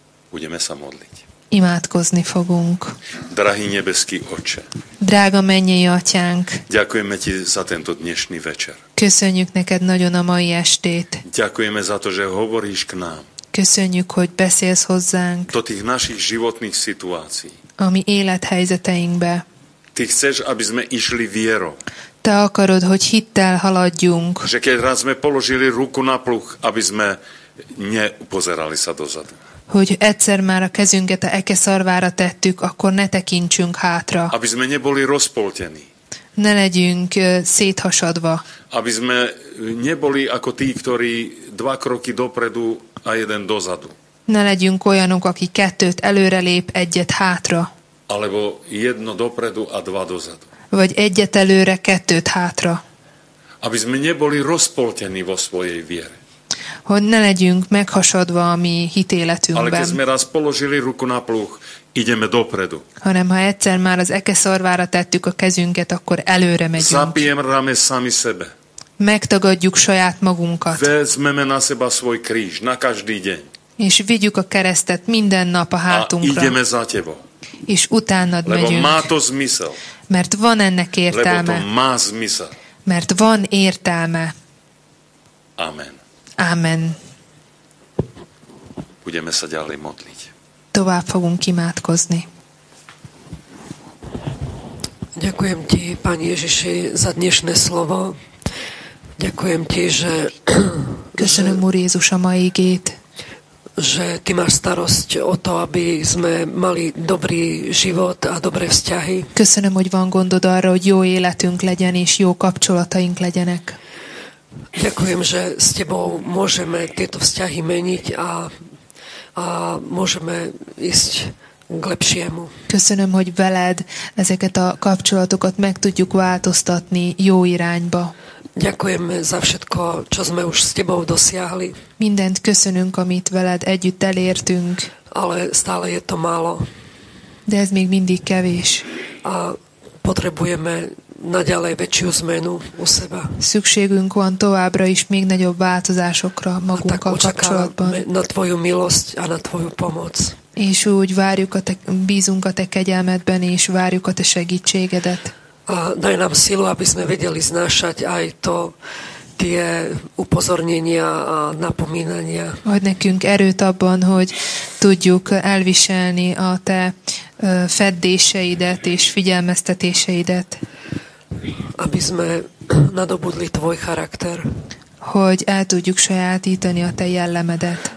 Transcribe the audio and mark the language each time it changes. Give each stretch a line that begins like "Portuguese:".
Slovak: Budeme sa modliť.
Hungarian: Imádkozni fogunk.
Slovak: Drahý nebeský Otče.
Hungarian: Drága mennyei Atyánk.
Slovak: Ďakujeme ti za tento dnešný večer.
Hungarian: Köszönjük neked nagyon a mai estét.
Slovak: Ďakujeme za to, že hovoríš k nám.
Hungarian: Köszönjük, hogy beszélsz hozzánk.
Slovak: Do tých našich životných situácií.
Hungarian: A mi élethelyzeteinkbe.
Slovak: Ty chceš, aby sme išli vierou.
Hungarian: Te akarod, hogy hittel haladjunk.
Slovak: Že keď raz sme položili ruku na pluh, aby sme nepozerali sa dozadu.
Hungarian: Hogy egyszer már a kezünket a eke szarvára tettük, akkor ne tekintsünk hátra.
Slovak: Aby sme neboli rozpoltení.
Hungarian: Ne legyünk széthasadva.
Slovak: Aby sme neboli ako tí, ktorí dva kroky dopredu a jeden dozadu.
Hungarian: Ne legyünk olyanok, aki kettőt előre lép, egyet hátra.
Slovak: Alebo jedno dopredu a dva dozadu.
Hungarian: Vagy egyet előre, kettőt hátra.
Slovak: Aby sme neboli rozpoltení vo svojej viere.
Hungarian: Hogy ne legyünk meghasadva a mi hitéletünkben.
Slovak: Ale keď sme raz položili ruku na pluh, ideme dopredu.
Hungarian: Hanem ha egyszer már az eke szarvára tettük a kezünket, akkor előre megyünk.
Slovak: Zapijem rame sami sebe.
Hungarian: Megtagadjuk saját magunkat.
Slovak: Vezmeme na seba svoj kríž, na každý deň.
Hungarian: És vigyük a keresztet minden nap a hátunkra.
Slovak: A ideme za tebo.
Hungarian: És utánad
Slovak: lebo
Hungarian: megyünk.
Slovak: Má to zmysel.
Hungarian: Mert van ennek értelme.
Slovak: Lebo to má zmysel.
Hungarian: Mert van értelme.
Slovak: Amen.
Hungarian: Amen.
Slovak: Budeme sa ďalej modliť.
Hungarian: Tovább fogunk imádkozni.
Slovak: Ďakujem ti, Pán Ježiši, za dnešné slovo. Ďakujem ti, že...
Hungarian: Köszönöm, Úr Jézus, a mai igét.
Slovak: Že ty máš starosť o to, aby sme mali dobrý život a dobré vzťahy.
Hungarian: Köszönöm, hogy van gondod arra, hogy jó életünk legyen és jó kapcsolataink legyenek.
Slovak: Ďakujem, že s tebou môžeme tieto vzťahy meniť a môžeme ísť k lepšiemu.
Hungarian: Köszönöm, hogy veled ezeket a kapcsolatokat meg tudjuk változtatni jó irányba.
Slovak: Ďakujem za všetko, čo sme už s tebou dosiahli.
Hungarian: Mindent köszönünk, amit veled együtt elértünk.
Slovak: Ale stále je to málo.
Hungarian: De ez még mindig kevés.
Slovak: A potrebujeme naďalej väčšiu zmenu u seba.
Hungarian: Szükségünk van továbbra is még nagyobb változásokra magunkkal kapcsolatban.
Slovak: Na tvoju milosť a na tvoju pomoc.
Hungarian: És úgy várjuk bízunk a te kegyelmedben, és várjuk a te segítségedet.
Slovak: A daj nám silu, aby sme vedeli znášať aj to, tie upozornenia a napomínania.
Hungarian: Adj nekünk erőt abban, hogy tudjuk elviselni a te feddéseidet és figyelmeztetéseidet.
Slovak: Aby sme nadobudli tvoj charakter.
Hungarian: Hogy el tudjuk sajátítani a te jellemedet.